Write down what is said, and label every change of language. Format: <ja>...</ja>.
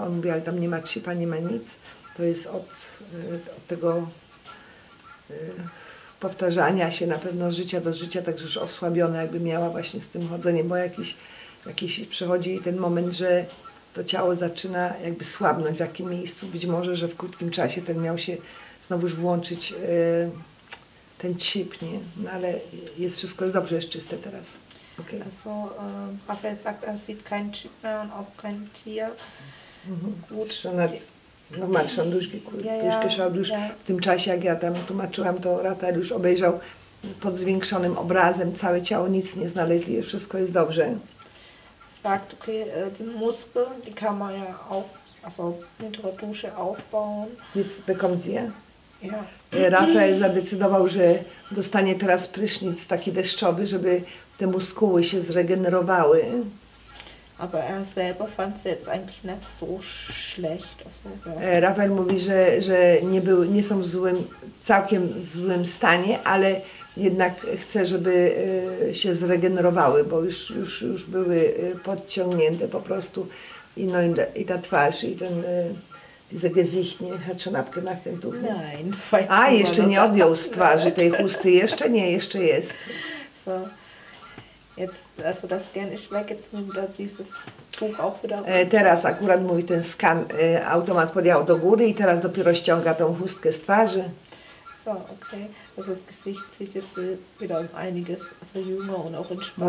<pl>On mówi, ale tam nie ma chipa, nie ma nic. To jest od tego powtarzania się na pewno życia do życia, także już osłabione jakby miała właśnie z tym chodzeniem, bo jakiś przychodzi ten moment, że to ciało zaczyna jakby słabnąć w jakim miejscu. Być może, że w krótkim czasie ten miał się znowuż włączyć ten chip, nie? No ale jest wszystko dobrze, jest czyste teraz. Okay.</pl> <de>Also, Rafael sagt, er sieht kein Chip mehr und auch kein Tier. Gut. Normal, schon durchgeschaut.</de> <pl>W tym czasie, jak ja tam tłumaczyłam, to Rafael już obejrzał pod zwiększonym obrazem całe ciało, nic nie znaleźli, wszystko jest dobrze.</pl> <de>Sagt, okay, den Muskel, die kann man ja auf, also unter der Dusche aufbauen. Jetzt bekommt sie, ja? Ja.</de> <pl>Rafael zadecydował, że dostanie teraz prysznic taki deszczowy, żeby te muskuły się zregenerowały.</pl> <de>Aber er selber fand sie jetzt eigentlich nicht so schlecht.</de> <pl>Rafael mówi, że nie są w złym, całkiem złym stanie, ale jednak chce, żeby się zregenerowały, bo już były podciągnięte po prostu. I, no, i ta twarz, i ten Gesicht, nie?</pl> <de>Hat schon abgemacht, ten tuch. Nein,</de> <pl>jeszcze nie odjął z twarzy tej chusty. Jeszcze nie, jeszcze jest.</pl> <de>So, jetzt, also das gern ist weg, jetzt nimm da dieses Tuch auch wieder.</de> <pl>Teraz akurat mówi ten skan, automat podjął do góry i teraz dopiero ściąga tą chustkę z twarzy.</pl> <de>So, okay. Also das Gesicht sieht jetzt wieder um einiges, also jünger und auch entspannter.</de>